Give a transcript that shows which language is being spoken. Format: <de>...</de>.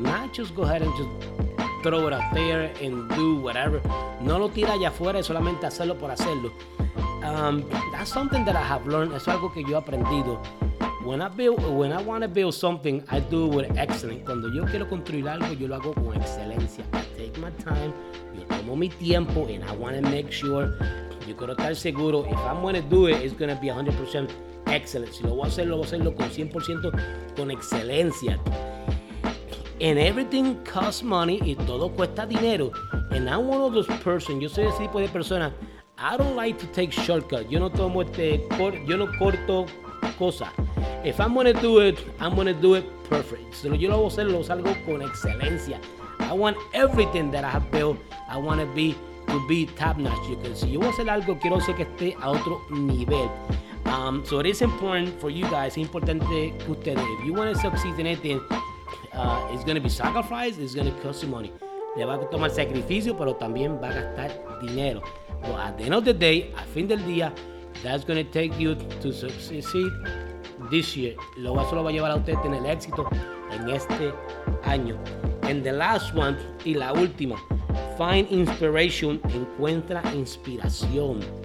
<en>Not just go ahead and just throw it out there and do whatever.</en> <es>No lo tira allá afuera y solamente hacerlo por hacerlo.</es> <en>That's something that I have learned.</en> <es>Eso es algo que yo he aprendido.</es> <en>When I want to build something, I do it with excellence.</en> <es>Cuando yo quiero construir algo, yo lo hago con excelencia.</es> <en>I take my time,</en> <es>yo tomo mi tiempo,</es> <en>and I want to make sure,</en> <es>yo quiero estar seguro,</es> <en>if I'm going to do it, it's going to be 100% excellent.</en> <es>Si lo voy a hacerlo con 100% con excelencia.</es> <en>And everything costs money,</en> <es>y todo cuesta dinero.</es> <en>And I'm one of those persons,</en> <es>yo soy ese tipo de persona,</es> <en>I don't like to take shortcuts.</en> <es>Yo no tomo yo no corto cosas.</es> <en>If I'm going to do it, I'm going to do it perfect.</en> <es>So yo lo voy a hacer, lo salgo con excelencia.</es> <en>I want everything that I have built, I want to be top notch. You can see,</en> <es>yo voy a hacer algo, quiero hacer que esté a otro nivel.</es> <en>So it is important for you guys,</en> <es>es importante que ustedes,</es> <en>if you want to succeed in anything, it's going to be sacrifice, it's going to cost you money.</en> <es>Le va a tomar sacrificio, pero también va a gastar dinero.</es> <en>But at the end of the day,</en> <es>al fin del día,</es> <en>that's going to take you to succeed. This year,</en> <es>lo va solo va a llevar a usted a tener éxito en este año.</es> <en>And the last one,</en> <es>y la última,</es> <en>find inspiration,</en> <es>encuentra inspiración.</es>